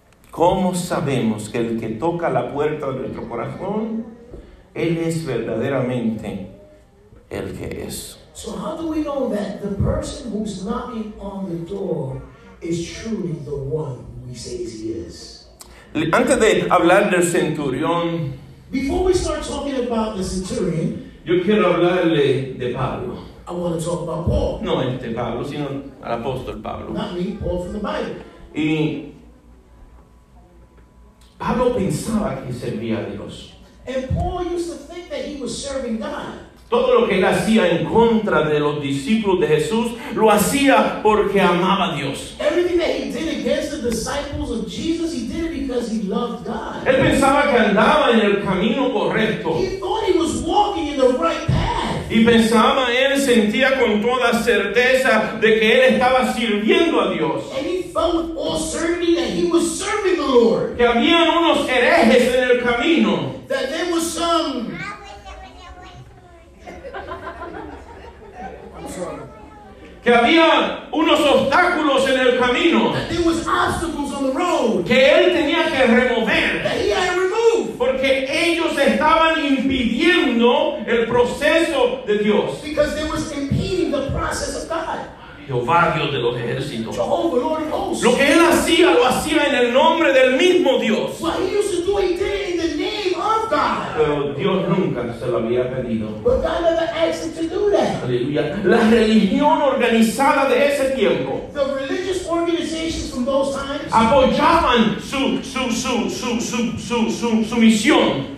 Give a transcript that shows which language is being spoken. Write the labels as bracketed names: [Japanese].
[Spanish] ¿Cómo sabemos que el que toca la puerta de nuestro corazón, él es verdaderamente el que es? [English] So how do we know that the person who's knocking on the door is truly the one we say he is? [Spanish] Antes de hablar del centurión, [English] before we start talking about the centurion, [Spanish] yo quiero hablarle de Pablo. [English] I want to talk about Paul. [Spanish] No, este Pablo, sino al apóstol Pablo. [English] Not me, Paul from the Bible. [Spanish] Y Pablo pensaba que servía a Dios. [English] And Paul used to think that he was serving God. [Spanish] Todo lo que él hacía en contra de los discípulos de Jesús, lo hacía porque amaba a Dios. [English] Everything that he did against the disciples of Jesus, he did it because he loved God. [Spanish] Él pensaba que andaba en el camino correcto. [English] He thought he was walking in the right path. [Spanish] Y pensaba, él sentía con toda certeza de que él estaba sirviendo a Dios. [English] And he felt with all certainty that he was serving the Lord. [Spanish] Que había unos herejes en el camino. [English] That there was some... I'm sorry. [Spanish] Que había unos obstáculos en el camino. [English] That there was obstacles on the road. [Spanish] Que él tenía que remover. [English] That he had to remove. [Spanish] Porque ellos estaban impidiendo el proceso de Dios. [English] Because they were impeding the process of God. [Spanish] Jehová, Dios de los ejércitos. [English] Jehovah, Lord of hosts. [Spanish] Lo que él hacía, lo hacía en el nombre del mismo Dios. [English] What he used to do, he did it in the name of God. [Spanish] Pero Dios nunca se lo había pedido. [English] But God never asked him to do that. [Spanish] Aleluya. La religión organizada de ese tiempo. [English] The religious organizations from those times. [Spanish] Apoyaban su misión.